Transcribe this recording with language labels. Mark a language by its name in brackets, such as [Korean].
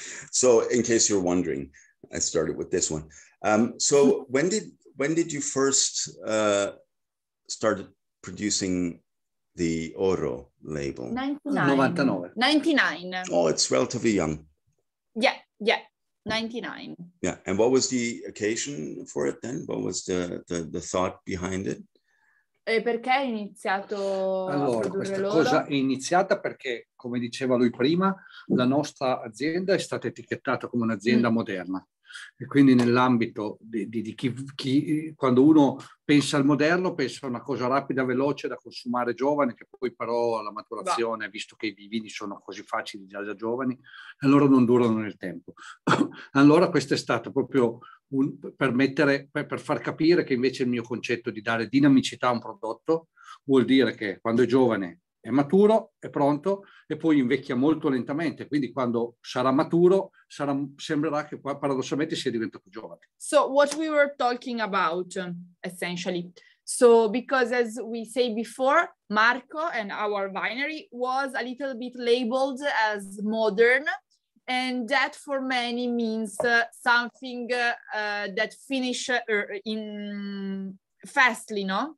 [English] So in case you're wondering, I started with this one. So when did you first start producing the Oro label? 99. Oh, it's relatively young. Yeah. 99. Yeah, and what was the occasion for it then? What was the thought behind it? [Italian] E perché hai iniziato? Allora, questa cosa è iniziata perché, come diceva lui prima, la nostra azienda è stata etichettata come un'azienda moderna. E quindi nell'ambito di chi, quando uno pensa al moderno, pensa a una cosa rapida, veloce, da consumare giovane, che poi però alla maturazione, visto che i vini sono così facili già giovani, allora non durano nel tempo. Allora questo è stato proprio per far capire che invece il mio concetto di dare dinamicità a un prodotto vuol dire che quando è giovane è maturo, è pronto e poi invecchia molto lentamente. Quindi quando sarà maturo, sembrerà che paradossalmente sia diventato giovane. [English] So what we were talking about, essentially. So because as we say before, Marco and our winery was a little bit labeled as modern, and that for many means something that finish in fastly, no?